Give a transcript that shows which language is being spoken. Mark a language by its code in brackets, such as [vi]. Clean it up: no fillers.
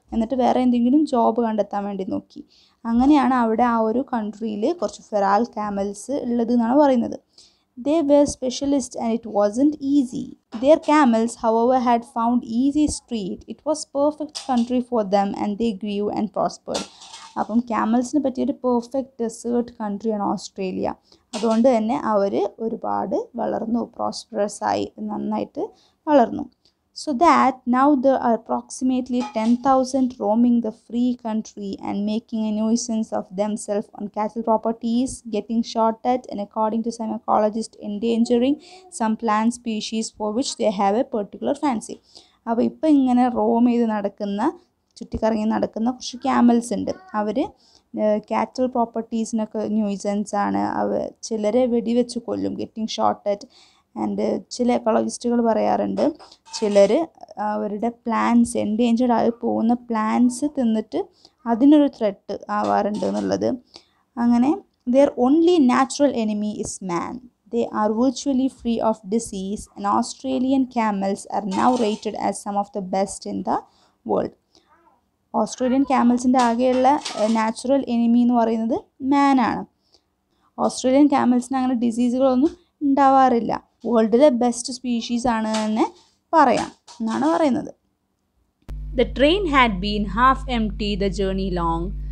[ml] എന്നിട്ട് വേറെ എന്തെങ്കിലും ജോബ് കണ്ടെത്താൻ വേണ്ടി നോക്കി. അങ്ങനെയാണ് അവിടെ ആ ഒരു കൺട്രിയിൽ കുറച്ച് ഫെറാൽ ക്യാമൽസ് ഉള്ളത് എന്നാണ് പറയുന്നത്. [en] They were specialists and it wasn't easy. Their camels, however, had found easy street. It was perfect country for them and they grew and prospered. [ml] അപ്പം ക്യാമൽസിന് പറ്റിയൊരു പെർഫെക്റ്റ് ഡെസേർട്ട് കൺട്രിയാണ് ഓസ്ട്രേലിയ. അതുകൊണ്ട് തന്നെ അവർ ഒരുപാട് വളർന്നു, പ്രോസ്പെറസ് ആയി, നന്നായിട്ട് വളർന്നു. [en] So that now the approximately 10,000 roaming the free country and making a nuisance of them self on cattle properties getting shot at and according to some ecologist endangering some plant species for which they have a particular fancy. [ml] അപ്പോൾ ഇപ്പം ഇങ്ങനെ Rome ചെയ്ത് നടക്കുന്ന, ചുറ്റിക്കറങ്ങി നടക്കുന്ന കുറച്ച് camel's ഉണ്ട്. അവർ Cattell പ്രോപ്പർട്ടീസിനൊക്കെ nuisance ആണ്. അവർ ചിലരെ വെടിവെച്ച് കൊല്ലും, [en] Getting short at. [ml] ആൻഡ് ചില എക്കോളജിസ്റ്റുകൾ പറയാറുണ്ട് ചിലർ അവരുടെ പ്ലാന്റ്സ് എൻഡേഞ്ചേർഡ് ആയി പോകുന്ന പ്ലാന്റ്സ് തിന്നിട്ട് അതിനൊരു ത്രെട്ട് ആവാറുണ്ട് എന്നുള്ളത്. [en] അങ്ങനെ their only natural enemy is man. They are virtually free of disease and Australian camels are now rated as some of the best in the world. [ml] Australian ക്യാമൽസിൻ്റെ ആകെയുള്ള natural enemy എന്ന് പറയുന്നത് മാനാണ്. Australian ക്യാമൽസിന് അങ്ങനെ ഡിസീസുകളൊന്നും ഉണ്ടാവാറില്ല. വേൾഡിലെ best species ആണ് തന്നെ പറയാം എന്നാണ് പറയുന്നത്. [en] The train had been half empty the journey long.